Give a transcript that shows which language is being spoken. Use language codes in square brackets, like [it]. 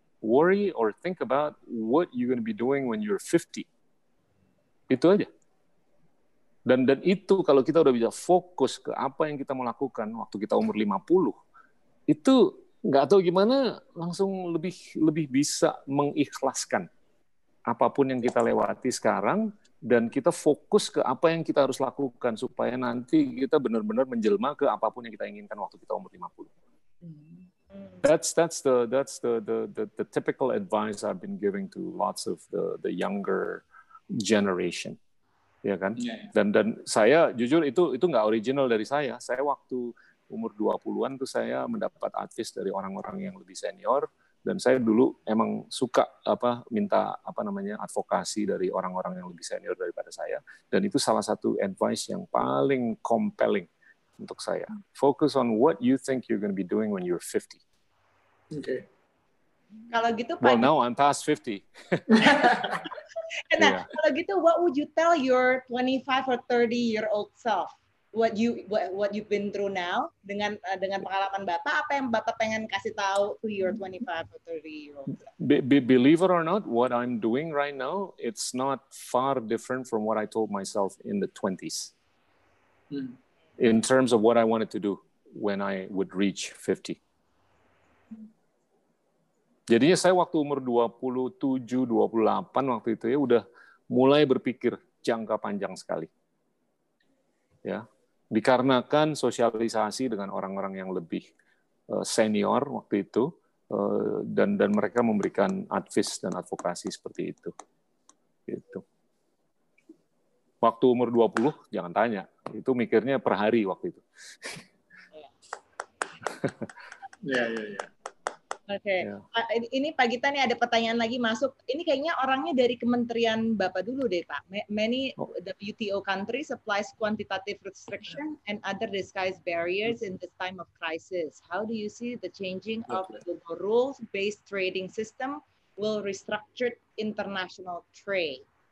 [en] Worry or think about what you're going to be doing when you're 50. [id] Itu aja. Dan itu kalau kita udah bisa fokus ke apa yang kita mau lakukan waktu kita umur 50, itu nggak tahu gimana langsung lebih bisa mengikhlaskan apapun yang kita lewati sekarang, dan kita fokus ke apa yang kita harus lakukan supaya nanti kita benar-benar menjelma ke apapun yang kita inginkan waktu kita umur 50. [en] That's the typical advice I've been giving to lots of the younger generation. [id] Ya kan? Yeah. Dan saya jujur itu enggak original dari saya. Saya waktu umur 20-an tuh saya mendapat advice dari orang-orang yang lebih senior. Dan saya dulu emang suka minta advokasi dari orang-orang yang lebih senior daripada saya. Dan itu salah satu advice yang paling compelling untuk saya. [en] Focus on what you think you're going to be doing when you're 50. Okay. [id] Kalau gitu, [en] well, now I'm past 50. [id] Nah, yeah. Kalau gitu, [en] what would you tell your 25 or 30 year old self? What you've been through now [id] dengan pengalaman Bapak, apa yang Bapak pengen kasih tahu [en] to your 25 or 30 year old? Believe it or not, what I'm doing right now, it's not far different from what I told myself in the 20s. In terms of what I wanted to do when I would reach 50. [id] Jadinya saya waktu umur 27, 28 waktu itu ya udah mulai berpikir jangka panjang sekali. Ya. Dikarenakan sosialisasi dengan orang-orang yang lebih senior waktu itu, dan mereka memberikan advice dan advokasi seperti itu. Gitu. Waktu umur 20, jangan tanya. Itu mikirnya per hari waktu itu. Iya. Oke. Ini Pak Gita nih ada pertanyaan lagi masuk. Ini kayaknya orangnya dari kementerian Bapak dulu deh, Pak. [en] Many WTO countries applies quantitative restriction and other disguised barriers in this time of crisis. How do you see the changing of global rules-based trading system will restructure international trade?